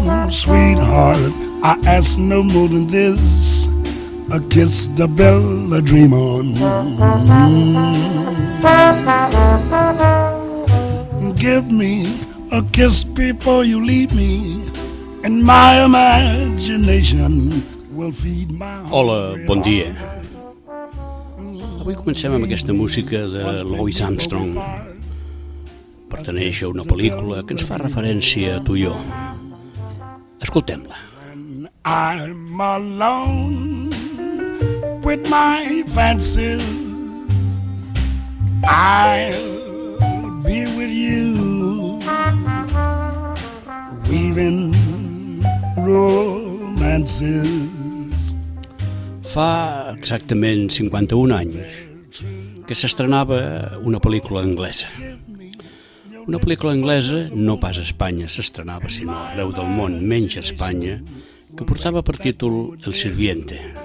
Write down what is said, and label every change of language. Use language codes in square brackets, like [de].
[en] Sweetheart, I ask no more than this, a kiss to build a dream on. Give me a kiss before you leave me, and my imagination will feed my heart. [ca] Hola, bon dia. Avui comencem amb aquesta música de Louis Armstrong. Perteneix a una pel·lícula que ens fa referència a tu i jo. Escoltem-la. [en] I'm alone with my fancies, I'll be with you, weaving romances. [ca] Fa exactament 51 anys que s'estrenava una pel·lícula anglesa. Una pel·lícula anglesa, no pas a Espanya s'estrenava, sinó arreu del món, menys a Espanya, que portava per títol El Sirviente.